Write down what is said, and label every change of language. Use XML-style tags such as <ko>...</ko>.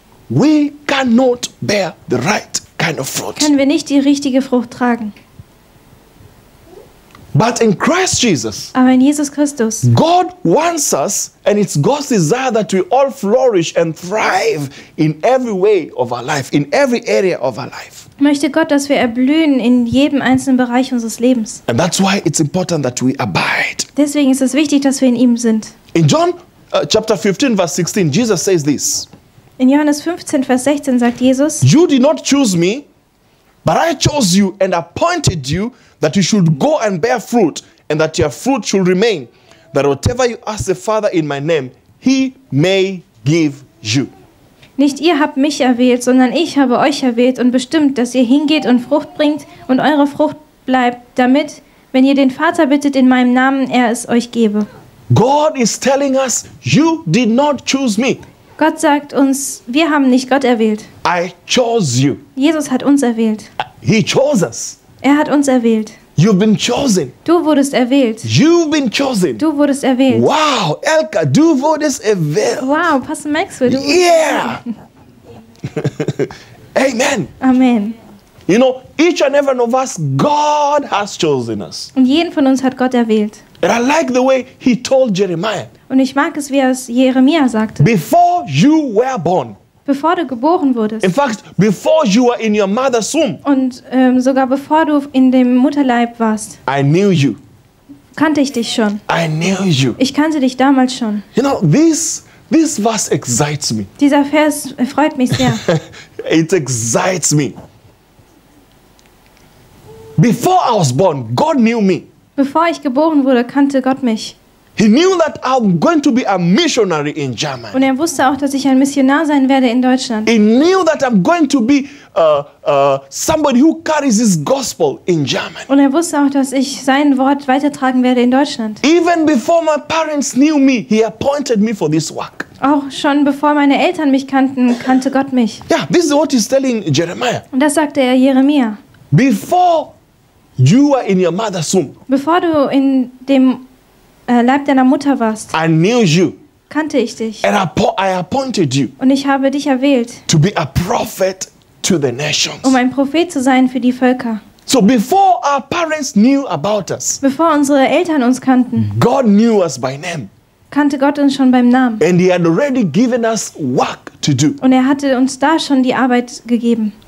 <en>We cannot bear the right kind of fruit.</en> <de>Können wir nicht die richtige Frucht tragen.</de> <en>But in Christ Jesus.</en> <de>Aber in Jesus Christus.</de> <en>God wants us, and it's God's desire that we all flourish and thrive in every way of our life, in every area of our life.</en> <de>Möchte Gott, dass wir erblühen in jedem einzelnen Bereich unseres Lebens.</de> <en>And that's why it's important that we abide.</en> <de>Deswegen ist es wichtig, dass wir in ihm sind.</de> <en>In John chapter 15 verse 16, Jesus says this.</en> <de>In Johannes 15 vers 16 sagt Jesus:</de> <en>You did not choose me, but I chose you and appointed you that you should go and bear fruit and that your fruit should remain, that whatever you ask the Father in my name, he may give you.</en> <de>Nicht ihr habt mich erwählt, sondern ich habe euch erwählt und bestimmt, dass ihr hingeht und Frucht bringt und eure Frucht bleibt, damit, wenn ihr den Vater bittet in meinem Namen, er es euch gebe.</de> <en>God is telling us, you did not choose me.</en> <de>Gott sagt uns, wir haben nicht Gott erwählt.</de> <en>I chose you.</en> <de>Jesus hat uns erwählt.</de> <en>He chose us.</en> <de>Er hat uns erwählt.</de> <en>You've been chosen.</en> <de>Du wurdest erwählt.</de> <en>You've been chosen.</en> <de>Du wurdest erwählt. Wow, Elka, du wurdest erwählt. Wow, Pastor Maxwell, du wurdest erwählt. Yeah. Amen. Amen.</de> <en>You know, each and every one of us, God has chosen us.</en> <de>Und jeden von uns hat Gott erwählt.</de> <en>And I like the way he told Jeremiah.</en> <de>Und ich mag es, wie er es Jeremia sagte.</de> <en>Before you were born.</en> <de>Bevor du geboren wurdest.</de> <en>In fact, before you were in your mother's womb.</en> <de>Und sogar bevor du in dem Mutterleib warst.</de> <en>I knew you.</en> <de>Kannte ich dich schon.</de> <en>I knew you.</en> <de>Ich kannte dich damals schon.</de> <en>You know, this verse excites me.</en> <de>Dieser Vers freut mich sehr.</de> <en>It excites me. Before I was born, God knew me.</en> <de>Bevor ich geboren wurde, kannte Gott mich.</de> <en>He knew that I'm going to be a missionary in Germany.</en> <de>Und er wusste auch, dass ich ein Missionar sein werde in Deutschland.</de> <en>He knew that I'm going to be somebody who carries his gospel in Germany.</en> <de>Und er wusste auch, dass ich sein Wort weitertragen werde in Deutschland.</de> <en>Even before my parents knew me, he appointed me for this work.</en> <de>Auch schon bevor meine Eltern mich kannten, kannte Gott mich.</de> <en>Yeah, this is what he's telling Jeremiah.</en> <de>Und das sagte er Jeremia.</de> <en>Before you were in your mother's womb.</en> <de>Bevor du in dem Leib deiner Mutter warst.</de> <en>I knew you.</en> <de>Kannte ich dich.</de> <en>And I appointed you.</en> <de>Und ich habe dich erwählt.</de> <en>To be a prophet to the nations.</en> <de>Um ein Prophet zu sein für die Völker.</de> <en>So before our parents knew about us.</en> <de>Bevor unsere Eltern uns kannten.</de> <en>God knew us by name.</en> <de>Kannte Gott uns schon beim Namen.</de> <en>And he had already given us work to do.</en> <de>Und er hatte uns da schon die Arbeit gegeben.</de>